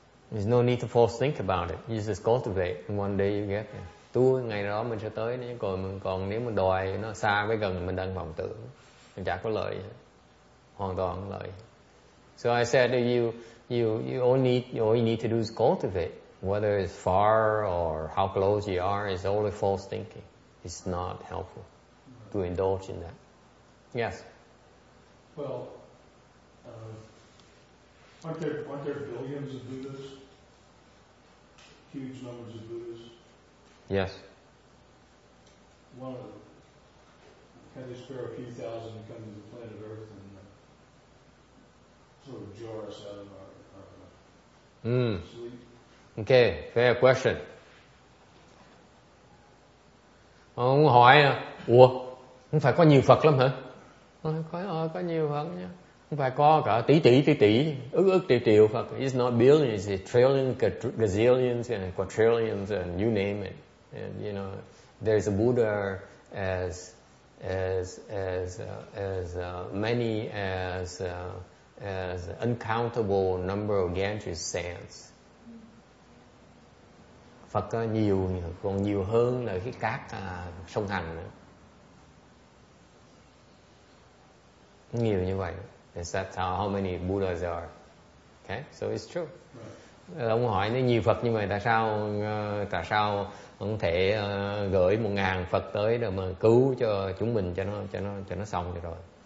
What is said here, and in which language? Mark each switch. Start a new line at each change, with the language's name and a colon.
English: There's no need to false think about it. You just cultivate, and one day you get there.
Vietnamese: Tu ngày đó mình sẽ tới, nhưng còn nếu mình đòi nó xa với gần mình đang vọng tưởng, mình chả có lợi, hoàn toàn không lợi.
English: So I said to you, you only need to do is cultivate, whether it's far or how close you are, it's only false thinking. It's not helpful to indulge in that. Yes. Well, aren't there billions of Buddhas? Huge numbers of Buddhas. Yes. One of them, can they spare a few thousand to come to the planet Earth and sort of jar us out of our sleep? Okay, fair question.
Vietnamese: Ông hỏi, ủa, không phải có nhiều Phật lắm hả? Có nhiều Phật nha. Không phải có cả tỷ, ức triệu triệu Phật.
English: It's not billions, it's trillions, gazillions, and quadrillions, and you name it. And you know, there's a Buddha as many as uncountable number of Ganges sands.
Vietnamese: Phật có nhiều, còn nhiều hơn là cái cát sông Hằng nữa. Nhiều như vậy.
English: That's how many Buddhas there are. Okay, so it's true. Right.
Vietnamese: Ông hỏi nó nhiều Phật như vậy, tại sao không thể gửi 1,000 Phật tới để mà cứu cho chúng mình cho nó xong được rồi.